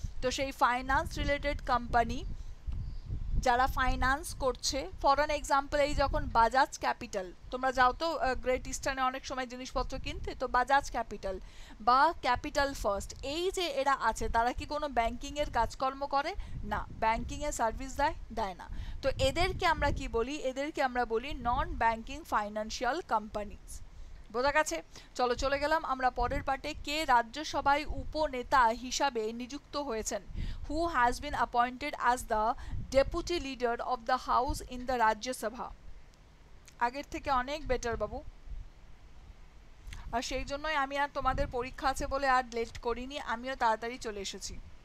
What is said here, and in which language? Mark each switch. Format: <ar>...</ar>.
<bn>তো সেই finance related company যারা ফাইন্যান্স করছে,</bn> <en>for an example,</en> <bn>এই যখন বাজাজ ক্যাপিটাল, তোমরা যাও তো গ্রেট ইস্টার্নে অনেক সময় জিনিসপত্র কিনতে, তো বাজাজ ক্যাপিটাল বা ক্যাপিটাল ফার্স্ট, এই যে এরা আছে, তারা কি কোনো ব্যাংকিংয়ের কাজকর্ম করে? না, ব্যাংকিংয়ের সার্ভিস দেয় না। তো এদেরকে আমরা কি বলি, এদেরকে আমরা বলি নন ব্যাংকিং ফাইন্যান্সিয়াল কোম্পানিজ। বোঝা গেছে? চলো চলে গেলাম আমরা পরের পার্টে। কে রাজ্যসভায় উপনেতা হিসাবে নিযুক্ত হয়েছেন?</bn> <en>who has been appointed as the deputy leader of the house in the Rajya Sabha.</en> <bn>আগের থেকে অনেক বেটার বাবু, আর সেই জন্যই আমি আর তোমাদের পরীক্ষা আছে বলে আর লেট করিনি, আমিও তাড়াতাড়ি চলে এসেছি।</bn>